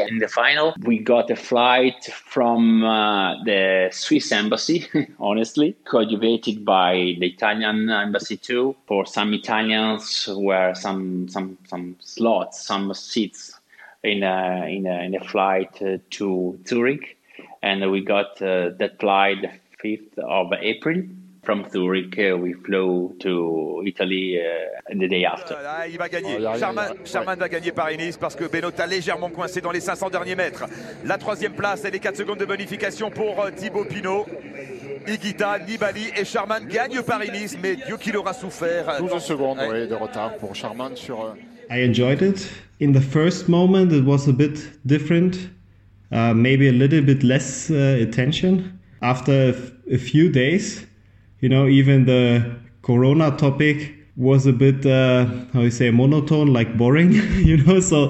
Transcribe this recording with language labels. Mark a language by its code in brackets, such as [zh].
[en] In the final, we got a flight from the Swiss embassy, honestly, coadjuvated by the Italian embassy too, for some Italians where some slots, some seats in a flight to Zurich. And we got that flight the 5th of April. From Zurich, we flew to Italy the day after. [fr] Il va gagner. Charman va gagner Paris-Nice parce que Benoît a légèrement coincé dans les 500 derniers mètres. La troisième place et les 4 secondes de bonification pour Thibaut Pinot. Higuita, Nibali et Charman gagnent Paris-Nice, mais Dieu qu'il aura souffert. 12 secondes ouais, de retard pour Charman sur. [en] I enjoyed it. In the first moment, it was a bit different. Maybe a little bit less attention. After a few days. You know, even the Corona topic was a bit, how you say, monotone, like boring, you know.